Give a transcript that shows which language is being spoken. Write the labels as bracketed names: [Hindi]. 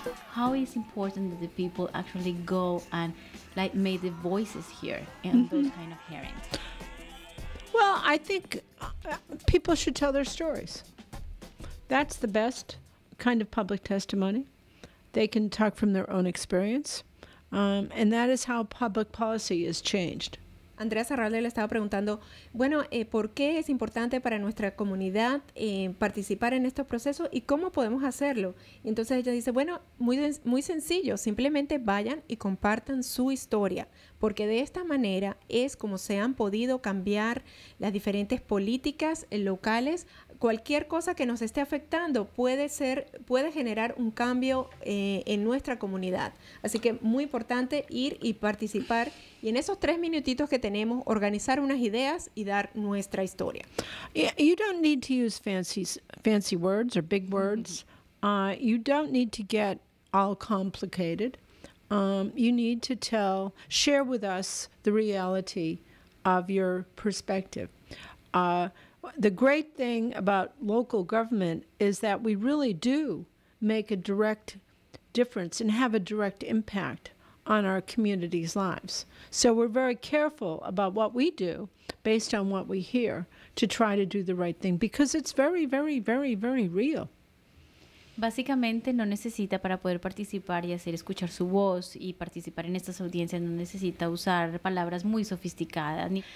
[English] how is important that the people actually go and like make the voices hear in mm-hmm. those kind of hearings? Well, I think people should tell their stories. That's the best kind of public testimony. They can talk from their own experience. And that is how public policy is changed. [Spanish] Andrea Sarralde le estaba preguntando, bueno, ¿por qué es importante para nuestra comunidad participar en estos procesos y cómo podemos hacerlo? Y entonces ella dice, bueno, muy sencillo, simplemente vayan y compartan su historia, porque de esta manera es como se han podido cambiar las diferentes políticas locales. Cualquier cosa que nos esté afectando puede generar un cambio en nuestra comunidad. Así que muy importante ir y participar. Y en esos tres minutitos que tenemos, organizar unas ideas y dar nuestra historia. [English] You don't need to use fancy words or big words. You don't need to get all complicated. You need to share with us the reality of your perspective. The great thing about local government is that we really do make a direct difference and have a direct impact on our community's lives. So we're very careful about what we do based on what we hear to try to do the right thing because it's very, very, very, very real. [Spanish] Básicamente no necesita para poder participar y hacer escuchar su voz y participar en estas audiencias, no necesita usar palabras muy sofisticadas.